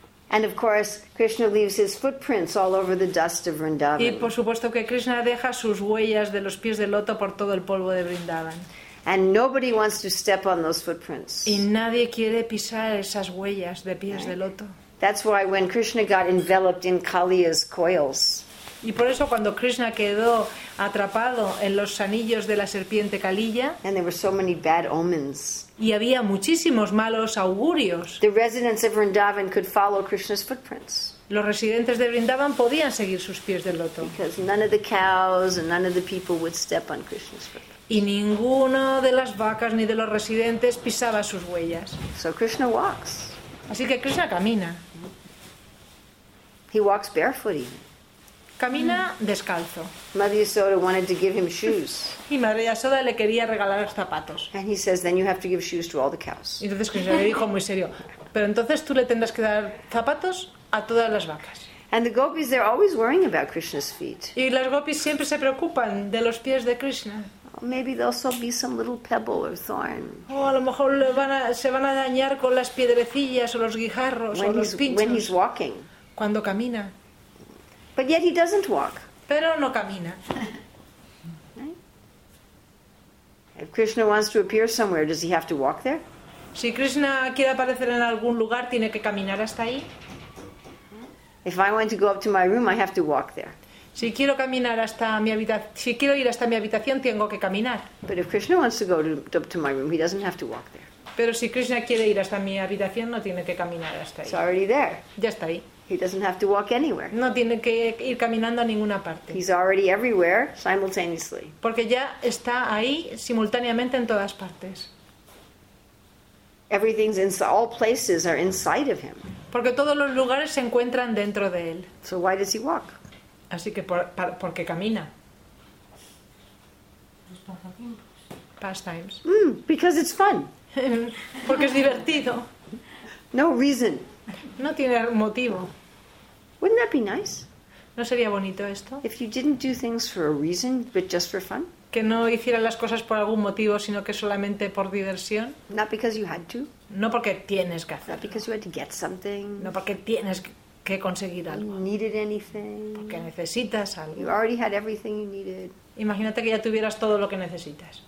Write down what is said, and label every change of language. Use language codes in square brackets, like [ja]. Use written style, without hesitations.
[en] And of course, Krishna leaves his footprints all over the dust of Vrindavan. [es] Y por supuesto que Krishna deja sus huellas de los pies de loto por todo el polvo de Vrindavan. [en] And nobody wants to step on those footprints. [es] Y nadie quiere pisar esas huellas de pies de loto. [en] That's why when Krishna got enveloped in Kaliya's coils. [es] Y por eso cuando Krishna quedó atrapado en los anillos de la serpiente Kaliya. [en] And there were so many bad omens. [es] Y había muchísimos malos augurios. [en] The residents of Vrindavan could follow Krishna's footprints. [es] Los residentes de Vrindavan podían seguir sus pies de loto. [en] Because none of the cows and none of the people would step on Krishna's footprints. [es] Y ninguno de las vacas ni de los residentes pisaba sus huellas. [en] So Krishna walks. [es] Así que Krishna camina. [en] He walks barefoot even. [es] Camina descalzo. [en] Mother Yasoda wanted to give him shoes. [es] Y Madre Yasoda le quería regalar los zapatos. [en] And he says, then you have to give shoes to all the cows. [es] Y entonces Krishna le dijo muy serio, pero entonces tú le tendrás que dar zapatos a todas las vacas. [en] And the gopis, they're always worrying about Krishna's feet. [es] Y las gopis siempre se preocupan de los pies de Krishna. [en] Maybe there'll also be some little pebble or thorn. [es] Oh, a lo mejor se van a dañar con las piedrecillas o los guijarros [en] when [es] o los pinchos. [en] When he's walking. [es] Cuando camina. [en] But yet he doesn't walk. [es] Pero no camina. [en] Right? If Krishna wants to appear somewhere, does he have to walk there? [es] Si Krishna quiere aparecer en algún lugar, tiene que caminar hasta ahí. [en] If I want to go up to my room, I have to walk there. [es] Si quiero caminar hasta mi habitación, si quiero ir hasta mi habitación, tengo que caminar. [en] But if Krishna wants to go to my room, he doesn't have to walk there. [es] Pero si Krishna quiere ir hasta mi habitación, no tiene que caminar hasta ahí. [en] It's already there. [es] Ya está ahí. [en] He doesn't have to walk anywhere. [es] No tiene que ir caminando a ninguna parte. [en] He's already everywhere simultaneously. [es] Porque ya está ahí simultáneamente en todas partes. [en] Everything's inside, all places are inside of him. [es] Porque todos los lugares se encuentran dentro de él. [en] So why does he walk? [es] Así que porque camina. [en] Pastimes. Because it's fun. [es] Porque es divertido. [en] No reason. [es] No tiene motivo. [en] Wouldn't that be nice? [es] ¿No sería bonito esto? [en] If you didn't do things for a reason, but just for fun. [es] Que no hiciera las cosas por algún motivo, sino que solamente por diversión. [en] Not because you had to. [es] No porque tienes que hacerlo. [en] Not because you had to get something. [es] No porque tienes que conseguir algo. [en] You needed anything. [es] Porque necesitas algo. [en] You already had everything you needed. [es] Imagínate que ya tuvieras todo lo que necesitas.